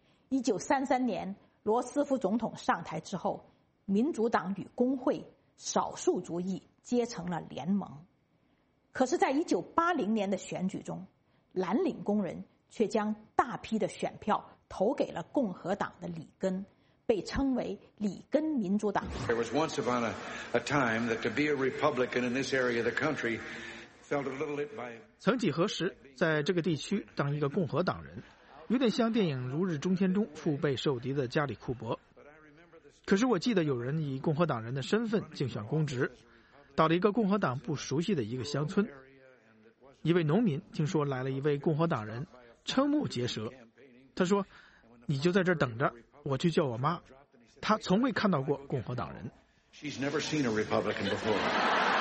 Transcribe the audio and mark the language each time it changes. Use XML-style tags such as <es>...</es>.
<zh>1933年，罗斯福总统上台之后，民主党与工会、少数族裔结成了联盟。可是，在1980年的选举中，蓝领工人却将大批的选票投给了共和党的里根，被称为里根民主党。</zh> <en>There was once upon a time that to be a Republican in this area of the country.</en> <zh>曾几何时，在这个地区当一个共和党人，有点像电影《如日中天》中腹背受敌的加里·库伯。可是我记得有人以共和党人的身份竞选公职，到了一个共和党不熟悉的一个乡村，一位农民听说来了一位共和党人，瞠目结舌。他说：“你就在这儿等着，我去叫我妈。” 他从未看到过共和党人。</zh> <en>She's never seen a Republican before.</en>